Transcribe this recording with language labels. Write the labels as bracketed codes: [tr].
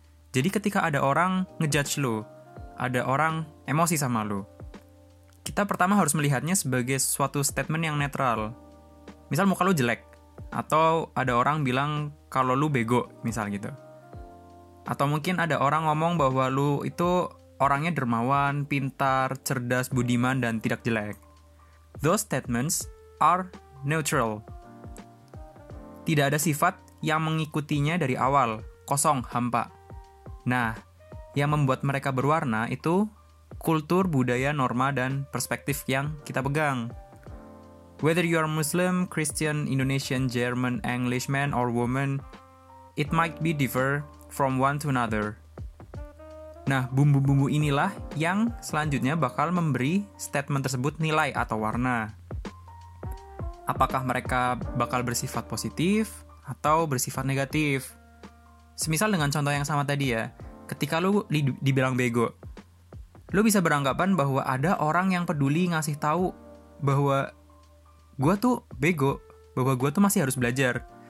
[id] Jadi ketika ada orang ngejudge lo, ada orang emosi sama lo, kita pertama harus melihatnya sebagai suatu statement yang netral. Misal muka lo jelek, atau ada orang bilang kalau lo bego, misal gitu. Atau mungkin ada orang ngomong bahwa lo itu orangnya dermawan, pintar, cerdas, budiman, dan tidak jelek. [en] Those statements are neutral. [id] Tidak ada sifat yang mengikutinya dari awal, kosong, hampa. Nah, yang membuat mereka berwarna itu kultur, budaya, norma, dan perspektif yang kita pegang. [en] Whether you are Muslim, Christian, Indonesian, German, English man, or woman, it might be differ from one to another. [id] Nah, bumbu-bumbu inilah yang selanjutnya bakal memberi statement tersebut nilai atau warna. Apakah mereka bakal bersifat positif atau bersifat negatif? Semisal dengan contoh yang sama tadi ya, ketika lu dibilang bego, lu bisa beranggapan bahwa ada orang yang peduli ngasih tahu bahwa gua tuh bego, bahwa gua tuh masih harus belajar.